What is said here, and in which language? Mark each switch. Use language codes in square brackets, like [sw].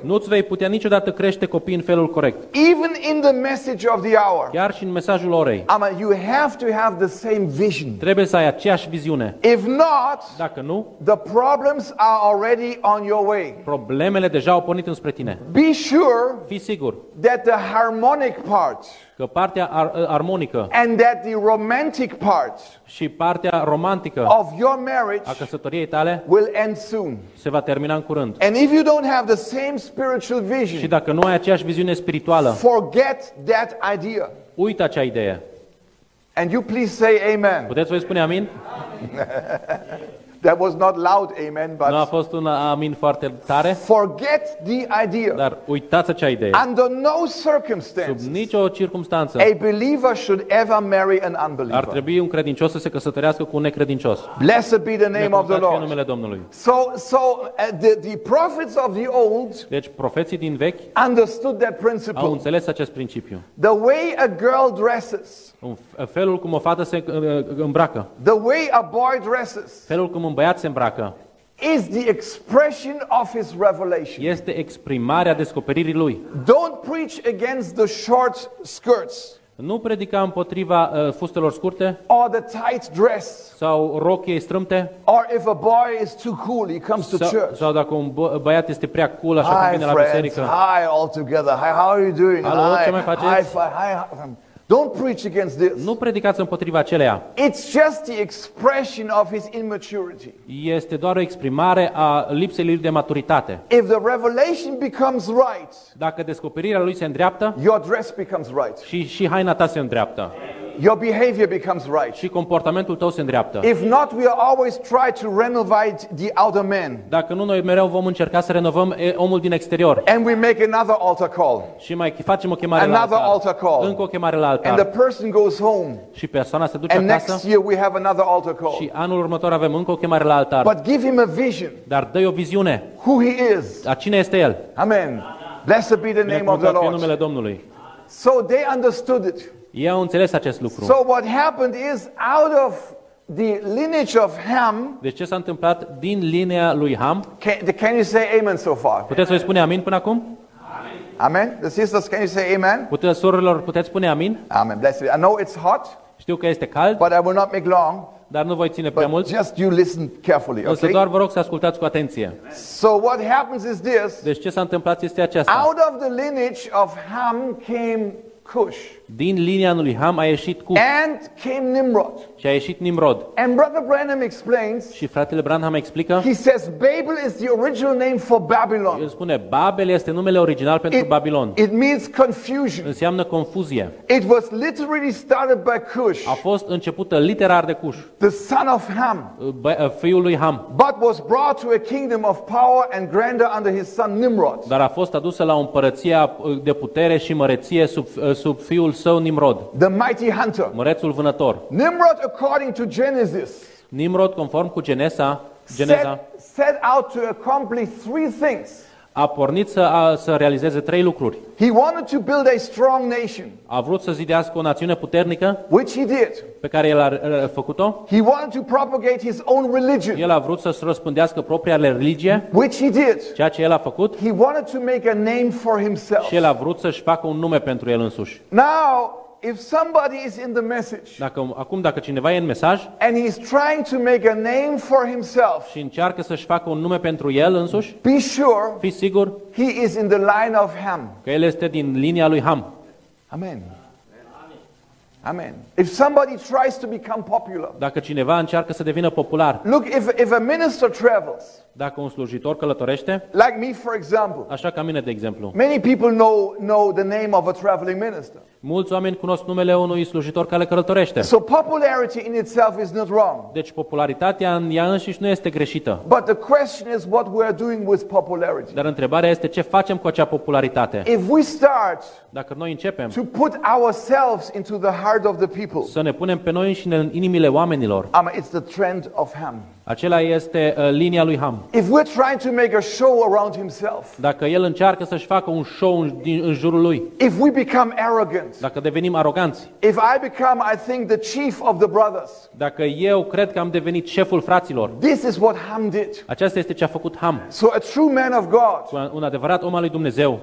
[ro] Nu îți vei putea niciodată crește copiii în felul corect. [en] Even in the message of the hour. [ro] Chiar și în mesajul orei. [en] You have to have the same vision. [ro] Trebuie să ai aceeași viziune. [en] If not, [ro] dacă nu, [en] the problems are already on your way. [ro] Problemele deja au pornit înspre tine. [en] Be sure. [ro] Fii sigur. [en] That the harmonic part. [ro] Că partea armonică. [en] And that the romantic part. [ro] Și partea romantică. [en] Of your marriage. [ro] A căsătoriei tale. [en] Will end soon. [ro] Se va termina în curând. [en] And if you don't have the same spiritual vision. [ro] Și dacă nu ai aceeași viziune spirituală. [en] Forget that idea. [ro] Uită acea idee. [en] And you please say amen. [ro] Puteți voi spune amin? [en] That was not loud amen, but [ro] nu a fost un amin foarte tare. [en] Forget the idea. [ro] Dar uitați acea idee. [en] Under no circumstances. [ro] Sub nicio circumstanță. [en] A believer should ever marry an unbeliever. [ro] Ar trebui un credincios să se căsătorească cu un necredincios. [en] Blessed be the name of the Lord. [ro] Numele Domnului. [en] So the prophets of the old. [ro] Deci profeții din vechi. [en] Understood that principle. [ro] Au înțeles acest principiu. [en] The way a girl dresses. [ro] Felul cum o fată se îmbracă. [en] The way a boy dresses. [ro] Felul cum un băiat se îmbracă. [en] Is the expression of his revelation. [ro] Este exprimarea descoperirii lui. [en] Don't preach against the short skirts. [ro] Nu predica împotriva fustelor scurte. [en] Or the tight dress. [ro] Sau rochiei strâmte. [en] Or if a boy is too cool, he comes to church. [ro] Sau dacă un băiat este prea cool, așa cum vine la biserică. [en] Hi all together. Hi, how are you doing? [ro] Alo, ce mai faceți? [en] Hi. Don't preach against this. [ro] Nu predicați împotriva acelea. [en] It's just the expression of his immaturity. [ro] Este doar o exprimare a lipsei lui de maturitate. [en] If the revelation becomes right. [ro] Dacă descoperirea lui se îndreaptă. [en] Your dress becomes right. [ro] Și haina ta se îndreaptă. [en] Your behavior becomes right. [ro] Și comportamentul tău se îndreaptă. [en] If not, we always try to renovate the outer man. [ro] Dacă nu, noi mereu vom încerca să renovăm omul din exterior. [en] And we make another altar call. [ro] Și mai facem o chemare [en] another [ro] la altar. [en] Another altar call. [ro] Încă o chemare la altar. [en] And the person goes home. [ro] Și persoana se duce [en] and [ro] acasă. [en] And next year we have another altar call. [ro] Și anul următor avem încă o chemare la altar. [en] But give him a vision. [ro] Dar dă-i o viziune. [en] Who he is. [ro] A cine este el. [en] Amen. Blessed be the name of the Lord. [ro] În numele Domnului. [en] So they understood it. [ro] Ei au înțeles acest lucru. [en] So what happened is out of the lineage of Ham. [ro] Deci ce s-a întâmplat din linia lui Ham? [en] Can you say amen so far? [ro] Puteți să spuneți amin până acum? [en] Amen. The sisters, can you say amen? [ro] Surorilor, puteți spune amin? [en] Amen. Blessed. I know it's hot. [ro] Știu că este cald. [en] But I will not make long. [ro] dar nu voi ține prea mult. [en] Just you listen carefully, okay? [ro] Însă doar vă rog să ascultați cu atenție. [en] So what happens is this. [ro] Deci ce s-a întâmplat este aceasta. [en] Out of the lineage of Ham came Cush. [ro] Din linia lui Ham a ieșit Cush. [en] And came Nimrod. [ro] Și a ieșit Nimrod. [en] And Brother Branham explains. [ro] Și fratele Branham explică. [en] He says Babel is the original name for Babylon. [ro] El spune Babel este numele original pentru Babilon. [en] It means confusion. [ro] Înseamnă confuzie. [en] It was literally started by Cush. [ro] A fost începută literar de Cush. [en] The son of Ham. [ro] Fiul lui Ham. [en] But was brought to a kingdom of power and grandeur under his son Nimrod. [ro] Dar a fost adusă la o împărăție de putere și măreție sub fiul său Nimrod. [en] The mighty hunter. [ro] Mărețul vânător. [en] Nimrod according to Genesis. [ro] Nimrod conform cu Geneza. [en] Set out to accomplish three things. [ro] A pornit să realizeze trei lucruri. [en] He wanted to build a strong nation. [ro] A vrut să zidească o națiune puternică. [en] Which he did. [ro] Pe care el a făcut-o. [en] He wanted to propagate his own religion. [ro] El a vrut să răspândească propria religie. [en] Which he did. [ro] Ceea ce el a făcut. [en] He wanted to make a name for himself. [ro] Și el a vrut să-și facă un nume pentru el însuși. [en] Now, if somebody is in the message. [ro] Dacă cineva e în mesaj. [en] And he's trying to make a name for himself. [ro] Și încearcă să-și facă un nume pentru el însuși. [en] Be sure. [ro] Fii sigur. [en] He is in the line of Ham. [ro] Că el este din linia lui Ham. [en] Amen. Amen. If somebody tries to become popular. [ro] Dacă cineva încearcă să devină popular. [en] Look, if a minister travels. [ro] Dacă un slujitor călătorește. [en] Like me for example. [ro] Așa ca mine de exemplu. [en] Many people know the name of a traveling minister. [ro] Mulți oameni cunosc numele unui slujitor care călătorește. [en] So popularity in itself is not wrong. [ro] Deci popularitatea în ea însăși nu este greșită. [en] But the question is what we are doing with popularity. [ro] Dar întrebarea este ce facem cu acea popularitate. [en] If we start. [ro] Dacă noi începem. [en] To put ourselves into the heart of the people. [ro] Să ne punem pe noi înșine în inimile oamenilor. [en] It's the trend of Ham. [ro] Acela este linia lui Ham. [en] If we're trying to make a show around himself. [ro] Dacă el încearcă să-și facă un show în jurul lui. [en] If we become arrogant. [ro] Dacă devenim aroganți. [en] If I become, I think, the chief of the brothers. [ro] Dacă eu cred că am devenit șeful fraților. [en] This is what Ham did. [ro] Aceasta este ce a făcut Ham. [en] So a true man of God. [ro] Un adevărat om al lui Dumnezeu.